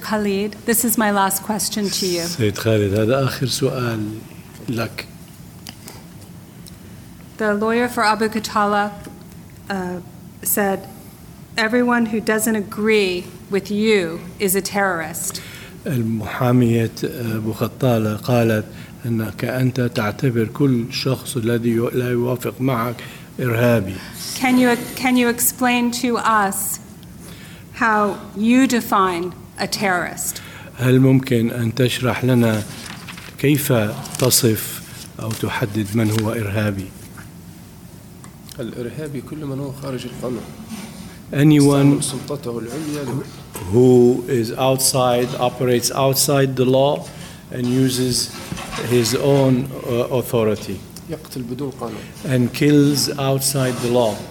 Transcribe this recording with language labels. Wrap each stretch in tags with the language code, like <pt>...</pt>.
<en>Khalid, this is my last question to you.</en> <ar>سيد خالد, هذا آخر سؤال لك.</ar> <en>The lawyer for Abu Qatala said, everyone who doesn't agree with you is a terrorist.</en> <ar>المحامية أبو قتالة قالت أنك أنت تعتبر كل شخص الذي لا يوافق معك إرهابي.</ar> <en>Can you explain to us how you define a terrorist.</en> <ar>هل ممكن أن تشرح لنا كيف تصف أو تحدد من هو إرهابي؟ الإرهابي كل من هو خارج القانون.</ar> <en>Anyone</en> <ar>سلطته العليا</ar> <en>who is outside, operates outside the law and uses his own authority.</en> <ar>يقتل بدون قانون.</ar> <en>And kills outside the law.</en>